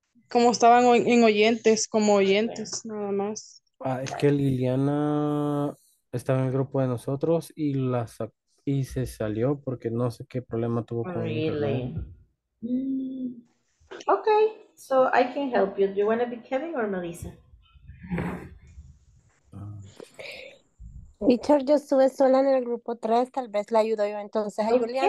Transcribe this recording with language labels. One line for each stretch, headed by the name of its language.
Spanish: Como estaban en oyentes, como oyentes, nada más. Ah, es que Liliana estaba en el grupo de nosotros y la y se salió porque no sé qué problema tuvo con
English: internet. Really? Okay, so I can help you. Do you want to be Kevin or Melissa?
Spanish: Teacher, yo estuve sola en el grupo 3, tal vez la ayudo yo entonces a Juliana.